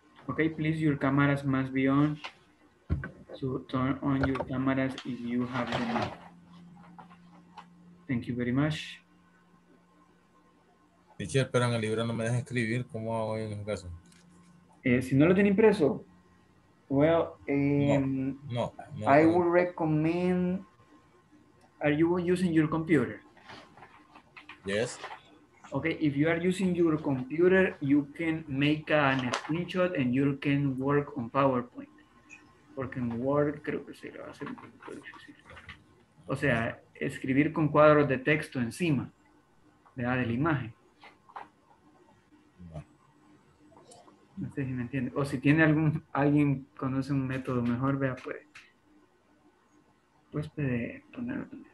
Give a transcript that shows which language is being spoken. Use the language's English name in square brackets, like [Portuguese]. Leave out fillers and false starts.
[English] Okay, please, your cameras must be on. So turn on your cameras if you have them. Thank you very much. [Spanish] Teacher, pero en el libro no me deja escribir, ¿cómo hago en ese caso? Si no lo tiene impreso, well, no. [English] I would recommend, are you using your computer? Yes. Okay, if you are using your computer, you can make an screenshot and you can work on PowerPoint. [Spanish] Porque en Word creo que se va a hacer un poquito difícil. O sea, escribir con cuadros de texto encima, ¿verdad? De la imagen. No sé si me entiende. O si tiene algún, alguien conoce un método mejor, vea, puede ponerlo.